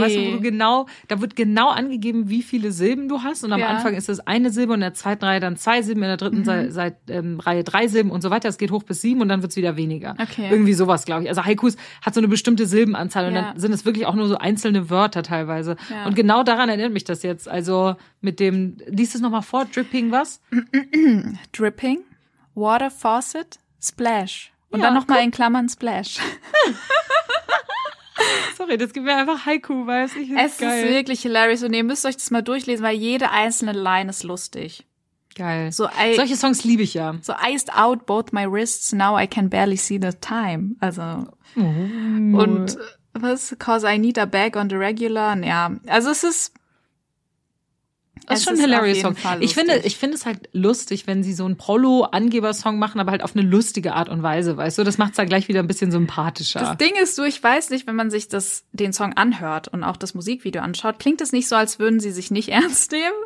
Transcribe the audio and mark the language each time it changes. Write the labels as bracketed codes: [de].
[de] Weißt du, wo du genau, da wird genau angegeben, wie viele Silben du hast und am Anfang ist es eine Silbe und in der zweiten Reihe dann zwei Silben, in der dritten Reihe drei Silben und so weiter. Es geht hoch bis sieben und dann wird es wieder weniger. Okay. Irgendwie sowas, glaube ich. Also Haikus hat so eine bestimmte Silbenanzahl und dann sind es wirklich auch nur so einzelne Wörter teilweise. Ja. Und genau daran erinnert mich das jetzt. Also mit dem, liest es nochmal vor, Dripping was? [en] Dripping, Water Faucet, Splash. [de] Und dann nochmal in Klammern Splash. Sorry, das gibt mir einfach Haiku, weiß ich. Es geil. Ist wirklich hilarious und ihr müsst euch das mal durchlesen, weil jede einzelne Line ist lustig. Geil. So, solche Songs liebe ich ja. [en] So iced out both my wrists, now I can barely see the time. [de] Also. Oh. Und was? [en] Cause I need a bag on the regular. [de] Und ja, also es ist. Das ist schon ein hilarious Song. Ich finde es halt lustig, wenn sie so einen Prolo-Angeber-Song machen, aber halt auf eine lustige Art und Weise, weißt du? Das macht es halt gleich wieder ein bisschen sympathischer. Das Ding ist so, ich weiß nicht, wenn man sich den Song anhört und auch das Musikvideo anschaut, klingt es nicht so, als würden sie sich nicht ernst nehmen.